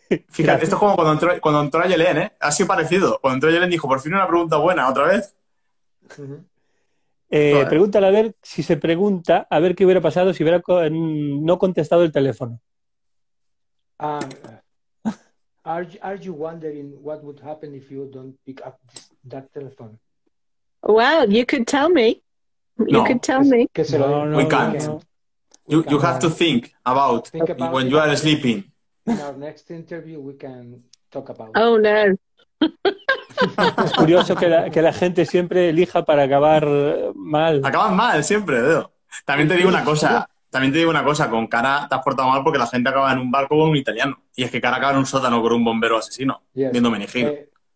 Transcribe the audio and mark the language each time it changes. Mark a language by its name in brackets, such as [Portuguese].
[Spanish] Fíjate, esto es como cuando entró a Yelen, ¿eh? Ha sido parecido. Cuando entró Yelen dijo, por fin una pregunta buena, otra vez. Uh-huh. Vale. Pregúntale a ver si se pregunta a ver qué hubiera pasado si hubiera no contestado el teléfono. [English] Are you wondering what would happen if you don't pick up that telephone? Well, you could tell me. No, we can't. You have to think about when you are sleeping. In our next interview, we can talk about it. Oh, no. [Spanish] Es curioso que la gente siempre elija para acabar mal. Acaban mal, siempre, dedo. También te digo una cosa. También te digo una cosa. Con Cara te has portado mal porque la gente acaba en un barco con un italiano. Y es que Cara acaba en un sótano con un bombero asesino, yes, viendo Menegir.